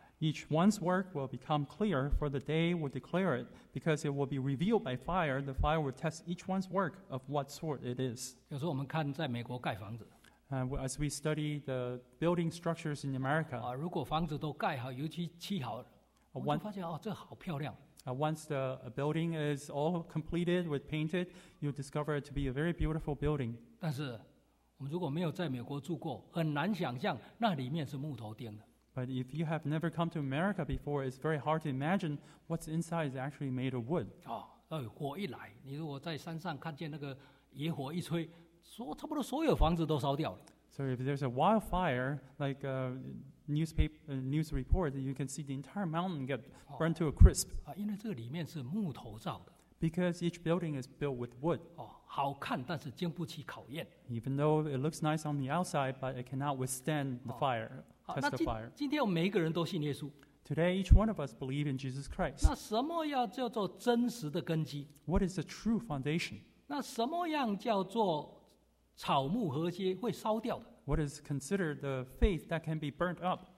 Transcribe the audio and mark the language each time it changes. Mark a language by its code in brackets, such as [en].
[en] Each one's work will become clear, for the day will declare it, because it will be revealed by fire. The fire will test each one's work of what sort it is. [zh] 有时候我们看在美国盖房子。 [en] As we study the building structures in America. [zh] 如果房子都盖好，油漆漆好，我们发现这好漂亮。 [en] Once the building is all completed with painted, you discover it to be a very beautiful building. [zh] 但是我们如果没有在美国住过，很难想象那里面是木头钉的。 [en] But if you have never come to America before, it's very hard to imagine what's inside is actually made of wood. [zh] 火一来，你如果在山上看见那个野火一吹，差不多所有房子都烧掉了。 [en] So if there's a wildfire, like a newspaper, a news report, you can see the entire mountain get burned to a crisp. [zh] 因为这里面是木头造的。 [en] Because each building is built with wood. [zh] 好看，但是经不起考验。 [en] Even though it looks nice on the outside, but it cannot withstand the fire, test the fire. [zh] 今天我们每一个人都信耶稣。 [en] Today, each one of us believe in Jesus Christ. [zh] 那什么要叫做真实的根基？ [en] What is the true foundation? [zh] 那什么样叫做草木禾秸会烧掉的。 [en] What is considered the faith that can be burnt up?